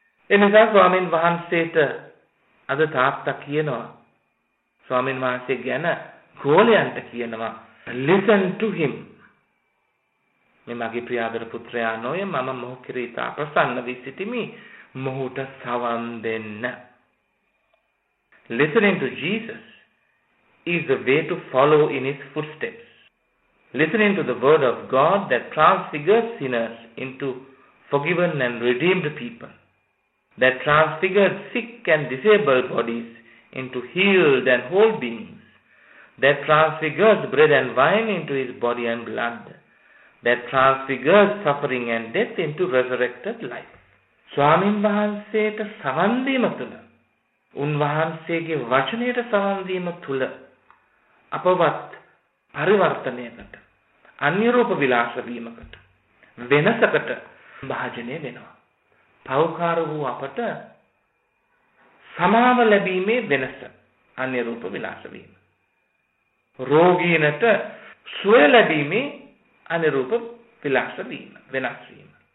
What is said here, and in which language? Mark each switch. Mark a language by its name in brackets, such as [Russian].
[Sinhala] එනිසා ස්වාමීන් වහන්සේට අද තාත්තා කියනවා, ස්වාමීන් වහන්සේ ගැන ගෝලයන්ට කියනවා, [English] listen to him. [Sinhala] මේ මගේ ප්‍රියාදර පුත්‍රයා නොය, මම මොහු කෙරෙහි තා ප්‍රසන්න වී සිටිමි, මොහුට සවන් දෙන්න. [English] Listening to Jesus is the way to follow in his footsteps. Listening to the word of God that transfigures sinners into forgiven and redeemed people, that transfigures sick and disabled bodies into healed and whole beings, that transfigures bread and wine into his body and blood, that transfigures suffering and death into resurrected life. [Sinhala] ස්වාමීන් වහන්සේට සවන් දීම තුළ, උන්වහන්සේගේ වචනයට සවන් දීම තුළ අපවත් පරිවර්තනයකට, අන්‍යරූප විලාස වීමකට, වෙනසකට භාජනය වෙනවා. පෞකාර වූ අපට සමාව ලැබීමේ වෙනස අන්‍යරූප විලාස වීම, රෝගීනට සුවය ලැබීමේ අන්‍යරූප විලාස වීම වෙනස් වීම.